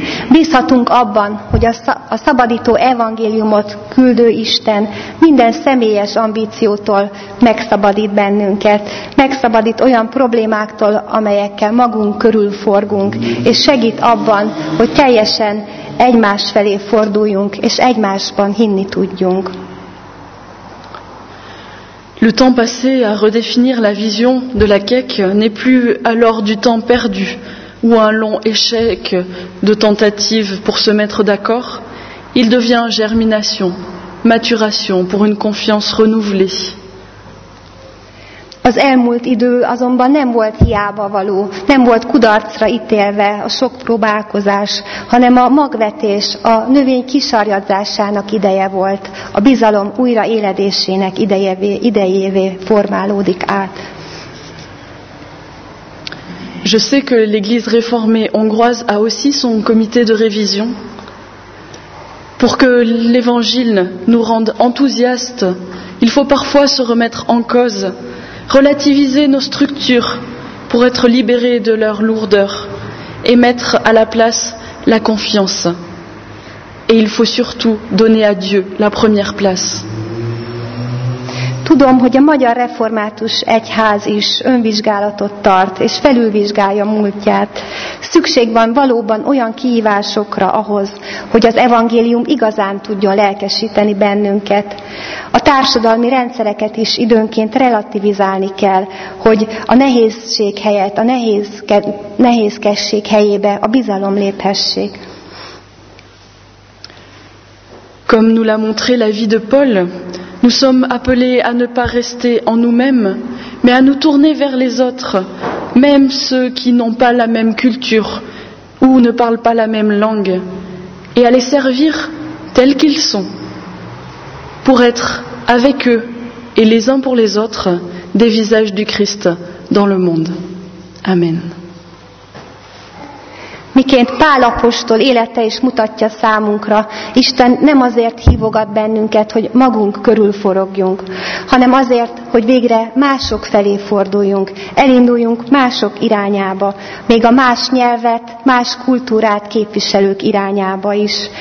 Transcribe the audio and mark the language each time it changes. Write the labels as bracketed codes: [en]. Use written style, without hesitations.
[hu] Bízhatunk abban, hogy a szabadító evangéliumot küldő Isten minden személyes ambíciótól megszabadít bennünket, megszabadít olyan problémáktól, amelyekkel magunk körül forgunk, és segít abban, hogy teljesen egymás felé forduljunk, és egymásban hinni tudjunk. [fr] Le temps passé à redéfinir la vision de la KEK n'est plus alors du temps perdu. Ou un long échec de tentative pour se mettre d'accord, il devient germination, maturation pour une confiance renouvelée. [hu] Az elmúlt idő azonban nem volt hiába való, nem volt kudarcra ítélve a sok próbálkozás, hanem a magvetés, a növény kisarjadzásának ideje volt, a bizalom újraéledésének idejévé formálódik át. [fr] Je sais que l'Église réformée hongroise a aussi son comité de révision pour que l'Évangile nous rende enthousiastes. Il faut parfois se remettre en cause, relativiser nos structures pour être libérés de leur lourdeur et mettre à la place la confiance. Et il faut surtout donner à Dieu la première place. [hu] Tudom, hogy a Magyar Református Egyház is önvizsgálatot tart, és felülvizsgálja múltját. Szükség van valóban olyan kihívásokra ahhoz, hogy az evangélium igazán tudjon lelkesíteni bennünket. A társadalmi rendszereket is időnként relativizálni kell, hogy a nehézség helyett, a nehézkesség helyébe a bizalom léphessék. [fr] Comme nous l'a montré la vie de Paul, nous sommes appelés à ne pas rester en nous-mêmes, mais à nous tourner vers les autres, même ceux qui n'ont pas la même culture ou ne parlent pas la même langue, et à les servir tels qu'ils sont, pour être avec eux et les uns pour les autres des visages du Christ dans le monde. Amen. [hu] miként Pál apostol élete is mutatja számunkra, Isten nem azért hívogat bennünket, hogy magunk körül forogjunk, hanem azért, hogy végre mások felé forduljunk, elinduljunk mások irányába, még a más nyelvet, más kultúrát képviselők irányába is.